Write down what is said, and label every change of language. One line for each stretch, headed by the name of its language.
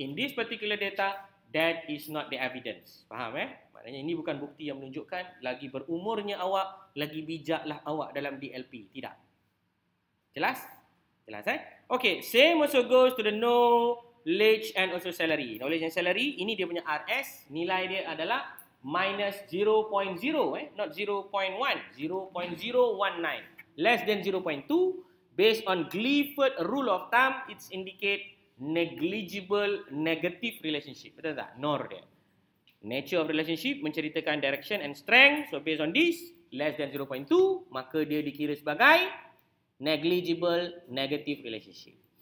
English: In this particular data, that is not the evidence.
Malay: Faham eh? Maknanya ini bukan bukti yang menunjukkan lagi berumurnya awak, lagi bijaklah awak dalam DLP. Tidak. Jelas? Jelas eh?
English: Okay, same also goes to the knowledge and also salary. Knowledge and salary,
Malay: ini dia punya RS. Nilai dia adalah minus 0.0, eh?
English: Not 0.1. 0.019. Less than 0.2, based on Gilford rule of thumb, it's indicate negligible negative relationship.
Malay: Betul tak? Nor dia.
English: Nature of relationship
Malay: menceritakan
English: direction and strength. So, based on this, less than 0.2,
Malay: maka dia dikira sebagai
English: negligible negative relationship.